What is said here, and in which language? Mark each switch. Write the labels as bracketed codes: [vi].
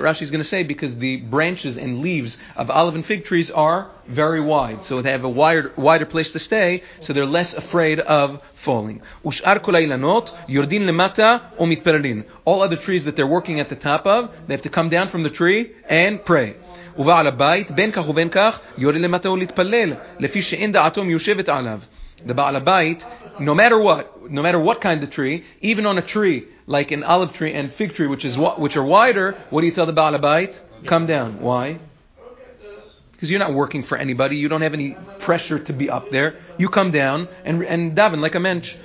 [en] Rashi's going to say, because the branches and leaves of olive and fig trees are very wide, so they have a wider place to stay, so they're less afraid of falling. [he] U'shar kol ha'ilanot, yordin lemata u'mitpalelim. [en] All other trees that they're working at the top of, they have to come down from the tree and pray. [he] ובעל הבית, בין כך ובין כך, יורד למטה ולהתפלל, לפי שאין דעתו מיושבת עליו. [en] The בעל הבית, no matter what kind of tree, even on a tree, like an olive tree and fig tree, which are wider, what do you tell the בעל הבית? Come down. Why? Because you're not working for anybody, you don't have any pressure to be up there. You come down and daven like a mensch.